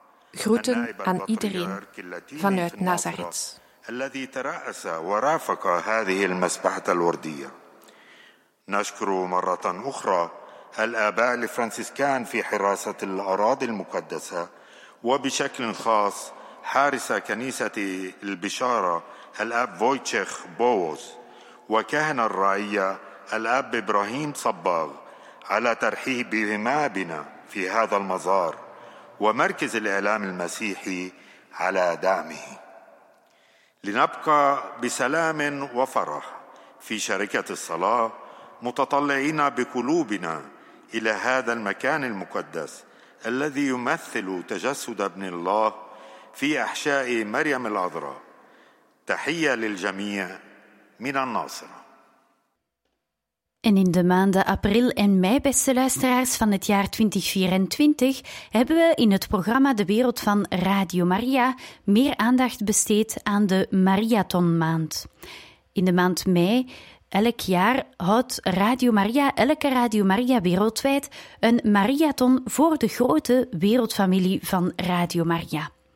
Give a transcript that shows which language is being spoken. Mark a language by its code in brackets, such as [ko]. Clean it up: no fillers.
[nl] Groeten aan iedereen vanuit Nazareth. [ar] الذي ترأس ورافق هذه المسبحة الوردية نشكر مرة أخرى الآباء الفرنسيسكان في حراسة الأراضي المقدسة وبشكل خاص حارس كنيسة البشارة الآب فويتشيخ بووز وكاهن الرعية الآب إبراهيم صباغ على ترحيبهما بنا في هذا المزار ومركز الإعلام المسيحي على دعمه لنبقى بسلام وفرح في شركة الصلاة متطلعين بقلوبنا إلى هذا المكان المقدس الذي يمثل تجسد ابن الله في أحشاء مريم العذراء تحية للجميع من الناصرة. [nl] En in de maanden april en mei, beste luisteraars van het jaar 2024, hebben we in het programma De Wereld van Radio Maria meer aandacht besteed aan de Mariathonmaand. In de maand mei elk jaar houdt Radio Maria, elke Radio Maria wereldwijd, een Mariathon voor de grote wereldfamilie van Radio Maria.